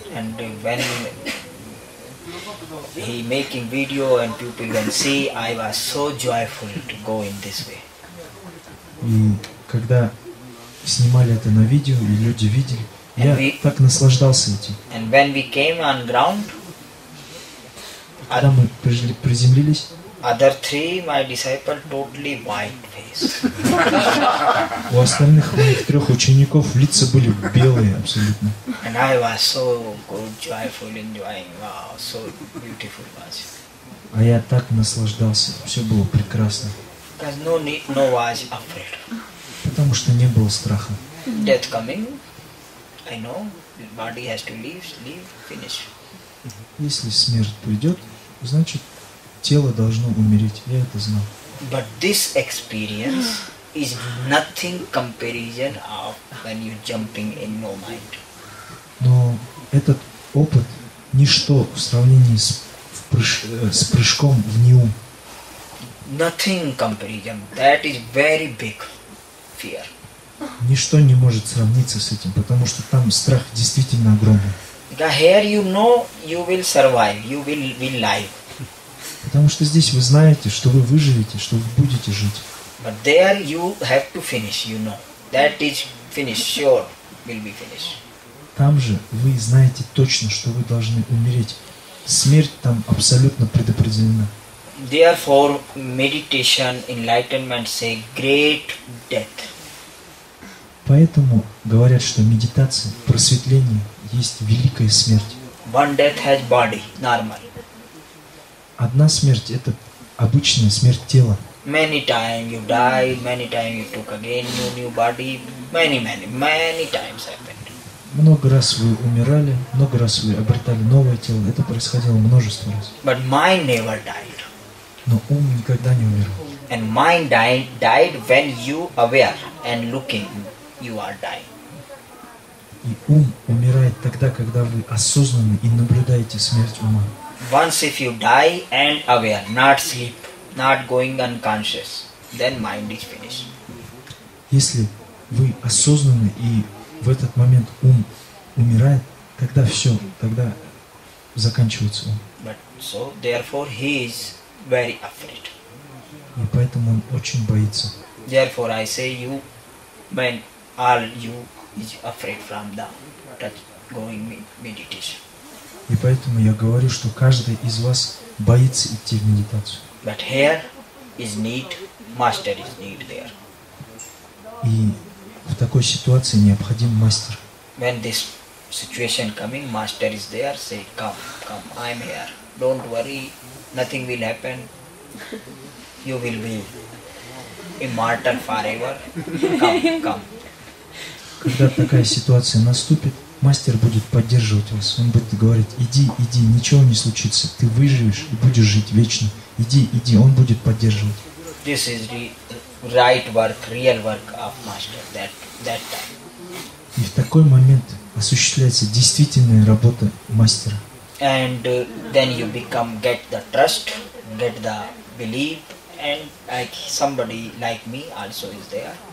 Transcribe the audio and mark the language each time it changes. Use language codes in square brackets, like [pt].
[en] And when he making video and people can see, I was so joyful to go in this way. [ru] И когда снимали это на видео, и люди видели, [en] and [ru] я [en] we, [ru] так наслаждался этим. [en] And when we came on ground, [ru] когда мы приземлились, [en] other three my disciple totally white face. [ru] У остальных моих трех учеников лица были белые абсолютно. [en] And I was so good, joyful, enjoying, wow, so beautiful was. [ru] А я так наслаждался, все было прекрасно. [en] Because no need, no was afraid. [ru] Потому что не было страха. [en] Death coming, I know, the body has to leave, leave, finish. [ru] Если смерть придет, значит, тело должно умереть. Я это знал. [en] But this experience is nothing comparison of when you jumping in no mind. [ru] Но этот опыт ничто в сравнении с прыжком в неум. [en] Nothing comparison. That is very big fear. [ru] Ничто не может сравниться с этим, потому что там страх действительно огромный. [en] Because here you know you will survive, you will be alive. [ru] Потому что здесь вы знаете, что вы выживете, что вы будете жить. [en] But there you have to finish, you know. That is finish, sure will be finish. [ru] Там же вы знаете точно, что вы должны умереть. Смерть там абсолютно предопределена. [en] Therefore, meditation, enlightenment say great death. [ru] Поэтому говорят, что медитация, просветление, есть великая смерть. [en] One death has body, normal. [ru] Одна смерть – это обычная смерть тела. [en] Many times you die, many times you took again new body, many times happened. [ru] Много раз вы умирали, много раз вы обретали новое тело. Это происходило множество раз. [en] But mind never died. [ru] Но ум никогда не умирал. [en] And mind died when you aware and looking, you are dying. [ru] И ум умирает тогда, когда вы осознанно и наблюдаете смерть ума. [en] Once if you die and aware, not sleep, not going unconscious, then mind is finished. [ru] Если вы осознаны и в этот момент ум умирает, тогда все, тогда заканчивается ум. [en] But so therefore he is very afraid. [ru] И поэтому он очень боится. [en] Therefore I say you, when all you is afraid from the touch going meditation. [ru] И поэтому я говорю, что каждый из вас боится идти в медитацию. [en] But here is need, master is need there. [ru] И в такой ситуации необходим мастер. [en] When this situation coming, master is there, say, come, I'm here. Don't worry, nothing will happen. You will be immortal forever. Come. [ru] Когда такая ситуация наступит, мастер будет поддерживать вас. Он будет говорить, иди, ничего не случится. Ты выживешь и будешь жить вечно. Иди. Он будет поддерживать. [en] This is the right work, real work of master that time. [ru] И в такой момент осуществляется действительная работа мастера. [en] And then you become, get the trust, get the belief, and like somebody like me also is there.